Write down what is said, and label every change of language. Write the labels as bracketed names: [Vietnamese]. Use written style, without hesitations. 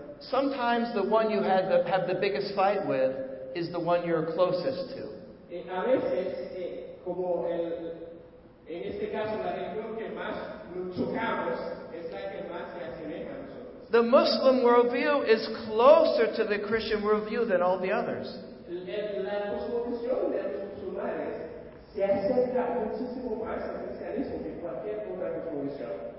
[English] Sometimes the one you have the biggest fight with is the one you're closest to. [Spanish] A veces, como en este caso, la religión que más chocamos es la que más se asemeja a nosotros. [English] The Muslim worldview is closer to the Christian worldview than all the others. [Spanish] La cosmovisión de los musulmanes se acerca muchísimo más al cristianismo que cualquier otra cosmovisión.